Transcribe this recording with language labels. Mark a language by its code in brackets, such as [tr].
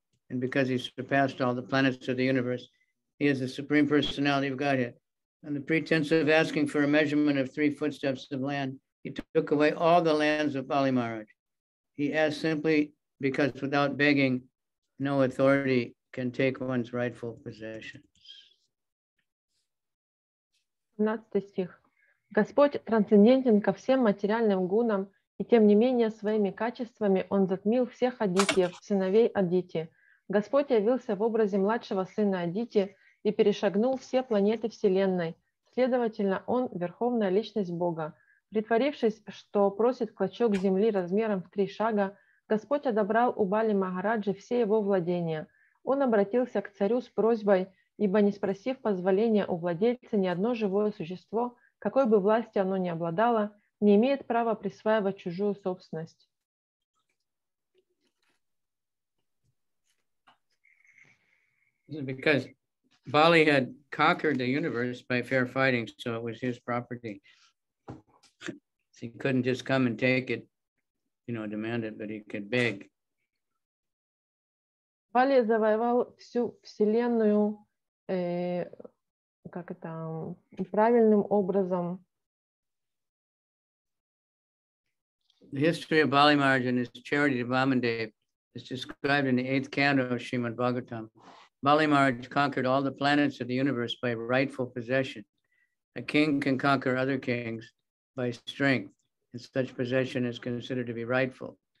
[en] And because he surpassed all the planets of the universe, he is the Supreme Personality of Godhead. On the pretense of asking for a measurement of 3 footsteps of land, he took away all the lands of Bali Maharaj. He asked simply because without begging, no authority can take one's rightful possessions. [ru] 17 стих. Господь трансцендентен ко всем материальным гунам, и тем не менее своими качествами он затмил всех адитиев, сыновей адити. Господь явился в образе младшего сына адити и перешагнул все планеты Вселенной. Следовательно, он — верховная личность Бога. Притворившись, что просит клочок земли размером в 3 шага, Господь одобрал у Бали Махараджи все его владения. Он обратился к царю с просьбой, ибо не спросив позволения у владельца, ни одно живое существо, какой бы власти оно ни обладало, не имеет права присваивать чужую собственность. [en] Because Bali had conquered the universe by fair fighting, so it was his property. So he couldn't just come and take it, you know, demand it, but he could beg. [ru] Bali завоевал всю вселенную, как это, правильным образом. [en] The history of Bali Maharaj and his charity to Vamandev is described in the 8th canto of Srimad Bhagavatam. Bali Maharaj conquered all the planets of the universe by rightful possession. A king can conquer other kings by strength, and such possession is considered to be rightful.